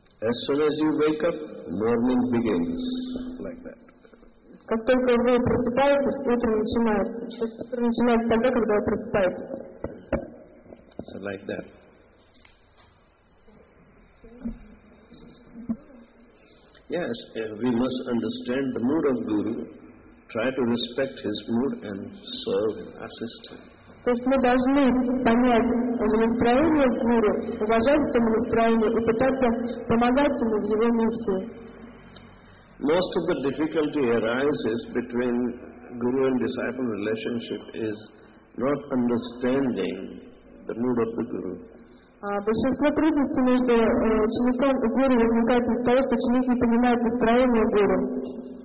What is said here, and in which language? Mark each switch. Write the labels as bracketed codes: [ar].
[en] As soon as you wake up, morning begins like that. So like that. Yes, we must understand the mood of Guru, try to respect his mood and serve and assist him. [ru] То есть мы должны понять настроение Гуру, уважать это настроение и пытаться помогать ему в его миссии. [en] Most of the difficulty arises between Guru and disciple relationship is not understanding the mood of the Guru. [ru] Большинство трудностей между учеником и гуру возникает из-за того, что ученик не понимает настроение гуру.